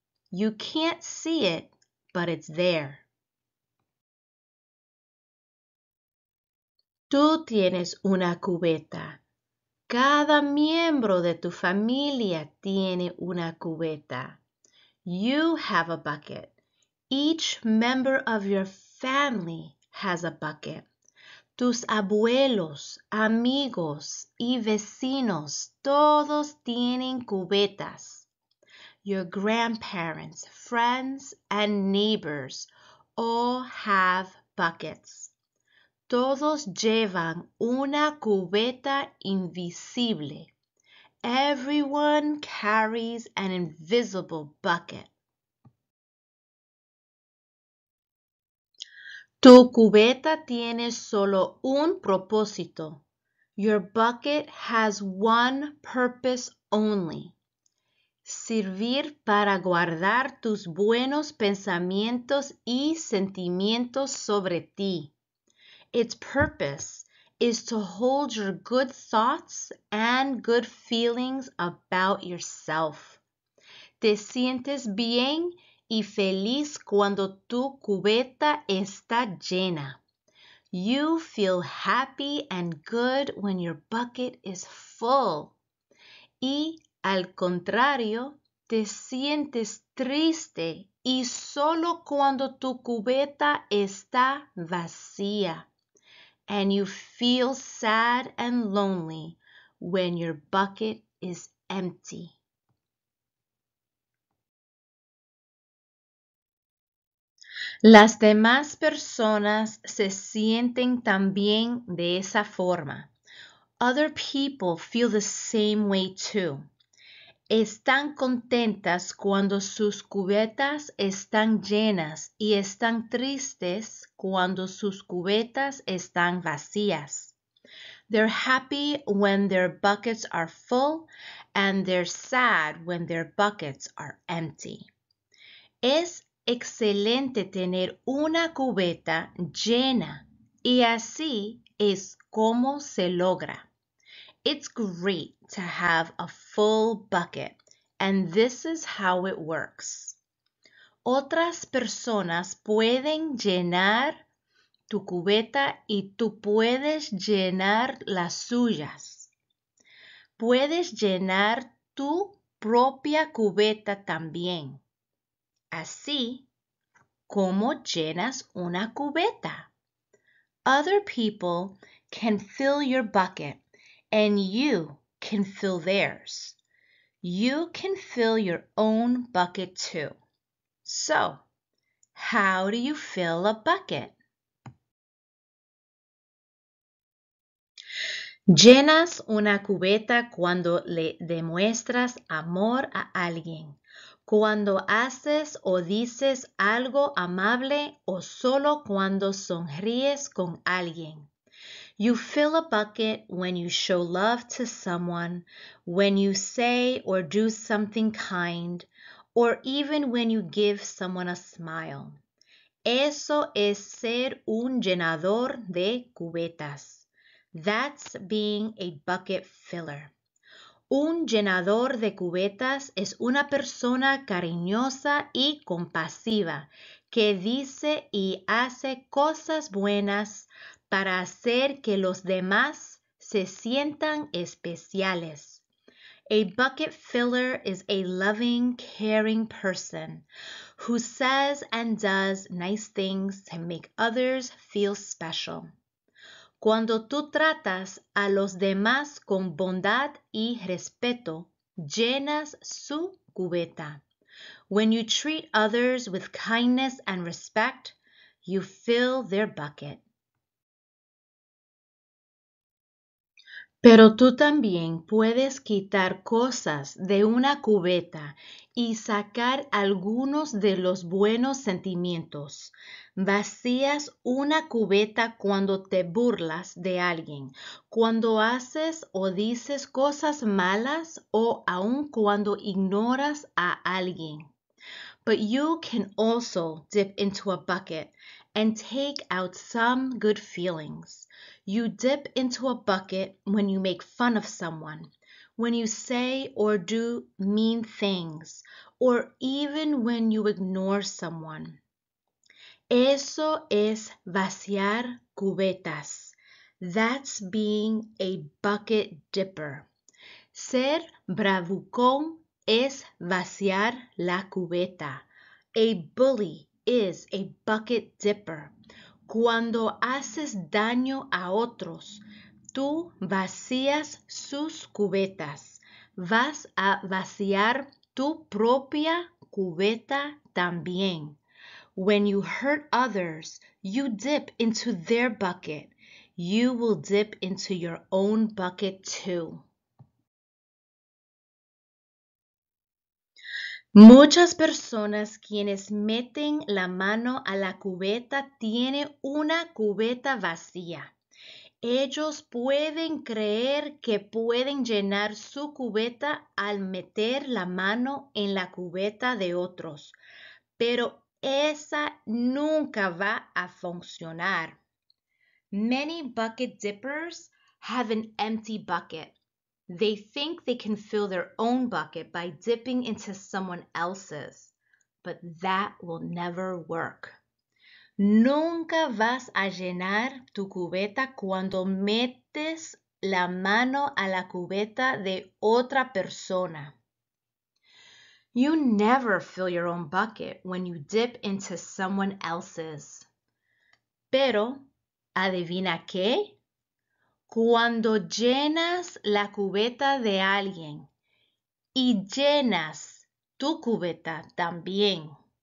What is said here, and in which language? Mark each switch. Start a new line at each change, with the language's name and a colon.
English: You can't see it, but it's there.
Spanish: Tú tienes una cubeta. Cada miembro de tu familia tiene una cubeta.
English: You have a bucket. Each member of your family has a bucket.
Spanish: Tus abuelos, amigos y vecinos, todos tienen cubetas.
English: Your grandparents, friends, and neighbors all have buckets.
Spanish: Todos llevan una cubeta invisible.
English: Everyone carries an invisible bucket.
Spanish: Tu cubeta tiene solo un propósito.
English: Your bucket has one purpose only.
Spanish: Servir para guardar tus buenos pensamientos y sentimientos sobre ti.
English: Its purpose is to hold your good thoughts and good feelings about yourself.
Spanish: Te sientes bien y feliz cuando tu cubeta está llena.
English: You feel happy and good when your bucket is full.
Spanish: Y al contrario, te sientes triste y solo cuando tu cubeta está vacía.
English: And you feel sad and lonely when your bucket is empty.
Spanish: Las demás personas se sienten también de esa forma.
English: Other people feel the same way too.
Spanish: Están contentas cuando sus cubetas están llenas y están tristes cuando sus cubetas están vacías.
English: They're happy when their buckets are full and they're sad when their buckets are empty.
Spanish: Es excelente tener una cubeta llena y así es como se logra.
English: It's great to have a full bucket, and this is how it works.
Spanish: Otras personas pueden llenar tu cubeta y tú puedes llenar las suyas. Puedes llenar tu propia cubeta también. Así, ¿cómo llenas una cubeta?
English: Other people can fill your bucket. And you can fill theirs. You can fill your own bucket too. So, how do you fill a bucket?
Spanish: Llenas una cubeta cuando le demuestras amor a alguien. cuando haces o dices algo amable o solo cuando sonríes con alguien.
English: You fill a bucket when you show love to someone, when you say or do something kind, or even when you give someone a smile.
Spanish: Eso es ser un llenador de cubetas.
English: That's being a bucket filler.
Spanish: Un llenador de cubetas es una persona cariñosa y compasiva que dice y hace cosas buenas para hacer que los demás se sientan especiales.
English: A bucket filler is a loving, caring person who says and does nice things to make others feel special.
Spanish: Cuando tú tratas a los demás con bondad y respeto, llenas su cubeta.
English: When you treat others with kindness and respect, you fill their bucket.
Spanish: Pero tú también puedes quitar cosas de una cubeta y sacar algunos de los buenos sentimientos. Vacías una cubeta cuando te burlas de alguien, cuando haces o dices cosas malas o aun cuando ignoras a alguien.
English: But you can also dip into a bucket and take out some good feelings. You dip into a bucket when you make fun of someone, when you say or do mean things, or even when you ignore someone.
Spanish: Eso es vaciar cubetas.
English: That's being a bucket dipper.
Spanish: Ser bravucón es vaciar la cubeta.
English: A bully is a bucket dipper.
Spanish: Cuando haces daño a otros, tú vacías sus cubetas. Vas a vaciar tu propia cubeta también.
English: When you hurt others, you dip into their bucket. You will dip into your own bucket too.
Spanish: Muchas personas quienes meten la mano a la cubeta tienen una cubeta vacía. Ellos pueden creer que pueden llenar su cubeta al meter la mano en la cubeta de otros, pero esa nunca va a funcionar.
English: Many bucket dippers have an empty bucket. They think they can fill their own bucket by dipping into someone else's, but that will never work.
Spanish: Nunca vas a llenar tu cubeta cuando metes la mano a la cubeta de otra persona.
English: You never fill your own bucket when you dip into someone else's.
Spanish: Pero, ¿adivina qué? Cuando llenas la cubeta de alguien y llenas tu cubeta también.